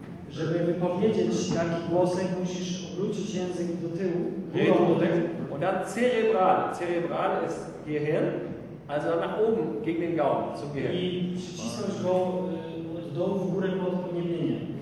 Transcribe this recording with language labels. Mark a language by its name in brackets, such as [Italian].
[Polish] Żeby wypowiedzieć taki głosek, musisz obrócić język do tyłu. [German] Retroflex. Und dann Cerebral. Cerebral ist Gehirn. Also nach oben, gegen den Gaumen, zum Gehirn. [Polish] I przycisnąć go od dołu w górę pod podniebienie.